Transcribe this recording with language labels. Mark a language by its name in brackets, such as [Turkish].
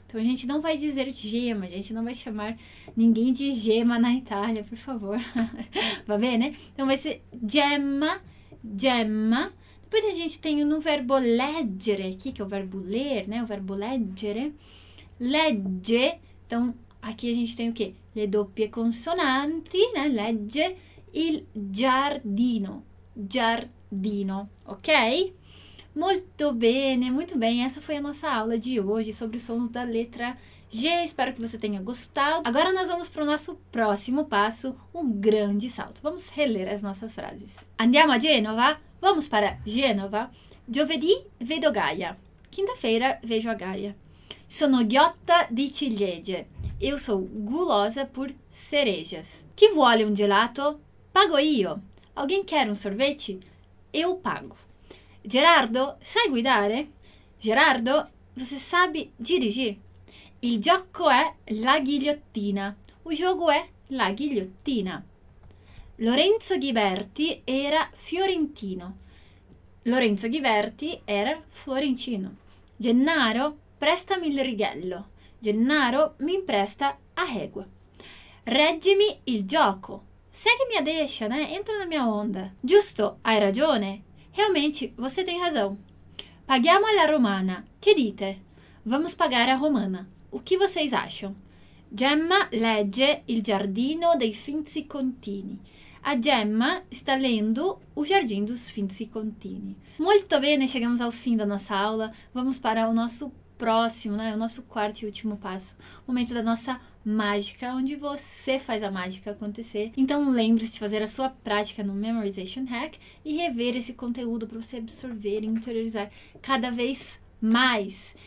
[Portuguese] Então, a gente não vai dizer Gemma. A gente não vai chamar ninguém de Gemma na Itália, por favor. Vai ver, né? Então, vai ser Gemma, Gemma. Depois a gente tem no verbo leggere aqui, que é o verbo ler, né? O verbo leggere. Legge. Então, aqui a gente tem o quê? Le doppie consonanti, né? Legge. Il giardino, giardino, ok? Muito bem, essa foi a nossa aula de hoje sobre os sons da letra G. Espero que você tenha gostado. Agora nós vamos para o nosso próximo passo, um grande salto. Vamos reler as nossas frases. [Italian] Andiamo a Genova? [Portuguese] Vamos para Genova. [Italian] Giovedì vedo Gaia. [Portuguese] Quinta-feira vejo a Gaia. [Italian] Sono ghiotta di ciliegie. [Portuguese] Eu sou gulosa por cerejas. [Italian] Chi vuole un gelato? Pago io. [Portuguese] Alguém quer um sorvete? Eu pago. [Italian] Gerardo, sai guidare? [Portuguese] Gerardo, você sabe dirigir? [Italian] Il gioco è la ghigliottina. [Portuguese] O jogo [Italian] è la ghigliottina. Lorenzo Ghiberti era fiorentino. [Portuguese] Lorenzo Ghiberti era florentino. [Italian] Gennaro, prestami il righello. Gennaro [Portuguese] mi presta a regua. [Italian] Reggimi il gioco. [Portuguese] Segue minha deixa, né? Entra na minha onda. [Italian] Giusto, hai ragione. [Portuguese] Realmente, você tem razão. [Italian] Paghiamo alla romana. Che dite? [Portuguese] Vamos pagar a romana. O que vocês acham? [Italian] Gemma legge il giardino dei Finzi Contini. [Portuguese] A Gemma está lendo o Jardim dos Finzi Contini. [Italian] Molto bene, [Portuguese] chegamos ao fim da nossa aula. Vamos para o nosso próximo, né? O nosso quarto e último passo. O momento da nossa mágica, onde você faz a mágica acontecer. Então lembre-se de fazer a sua prática no Memorization Hack e rever esse conteúdo para você absorver e interiorizar cada vez mais.